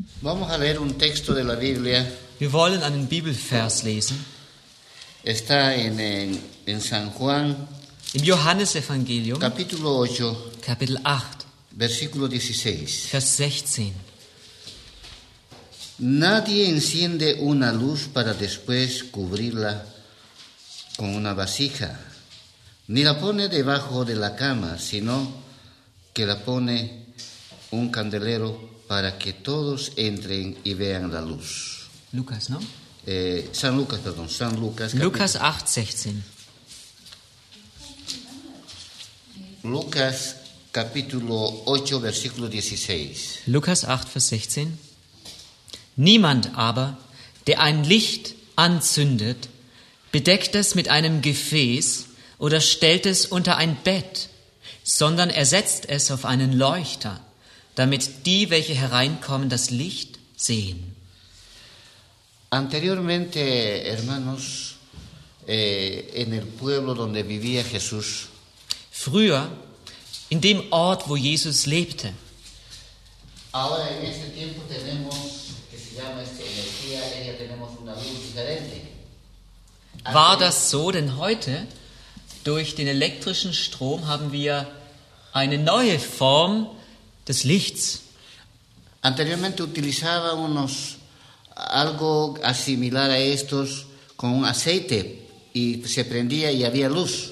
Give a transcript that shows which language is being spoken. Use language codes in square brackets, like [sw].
[es] Vamos a leer un texto de la Biblia. [de] Wir wollen einen Bibelvers lesen. [es] Está en San Juan. [de] Im Johannesevangelium. [es] Capítulo 8. [de] Kapitel 8. [es] Versículo 16. [de] Vers 16. [es] Nadie enciende una luz para después cubrirla con una vasija, ni la pone debajo de la cama, sino que la pone un candelero para que todos entren y vean la luz. Lucas, ¿no? San Lucas, perdón, San Lucas. Lucas 8, 16. Lucas, capítulo 8, versículo 16. [de] Lucas 8, Vers 16. Niemand aber, der ein Licht anzündet, bedeckt es mit einem Gefäß oder stellt es unter ein Bett, sondern er setzt es auf einen Leuchter, damit die, welche hereinkommen, das Licht sehen. [es] Anteriormente, hermanos, en el pueblo donde vivía Jesús, [de] früher, in dem Ort, wo Jesus lebte, [es] ahora en este tiempo tenemos energía, [de] war das so? Denn heute, durch den elektrischen Strom, haben wir eine neue Form des Lichts. [es] Anteriormente utilizábamos algo similar a estos con aceite y se prendía y había luz.